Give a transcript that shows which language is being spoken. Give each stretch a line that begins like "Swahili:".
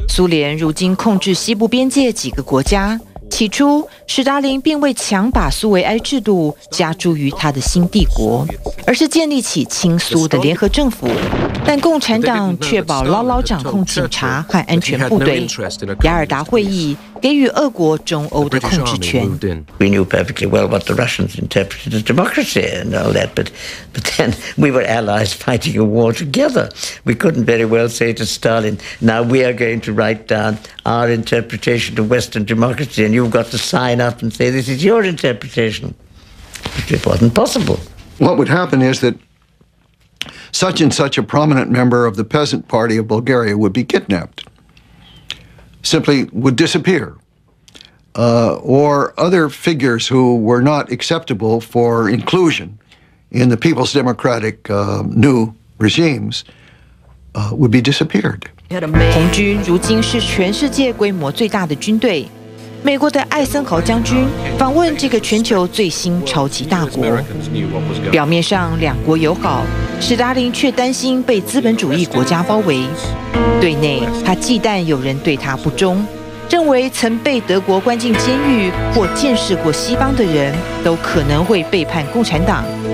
Chinese: 苏联如今控制西部边界几个国家。起初，史达林并未强把苏维埃制度加诸于他的新帝国，而是建立起亲苏的联合政府。但共产党确保牢牢掌控警察和安全部队。雅尔达会议给予俄国中欧的控制权。
English: We knew perfectly well what the Russians interpreted as democracy and all that, but then we were allies fighting a war together. We couldn't very well say to Stalin, "Now we are going to write down our interpretation of Western democracy, and you've got to sign up and say this is your interpretation." It wasn't possible. What would happen is that such and such a prominent member of the Peasant Party of Bulgaria would be kidnapped. Simply would disappear, or other figures who were not acceptable for inclusion in the People's Democratic new regimes would be disappeared.
Chinese: 红军如今是全世界规模最大的军队。美国的艾森豪将军访问这个全球最新超级大国，表面上两国友好，史达林却担心被资本主义国家包围。对内，他忌惮有人对他不忠，认为曾被德国关进监狱或见识过西方的人都可能会背叛共产党。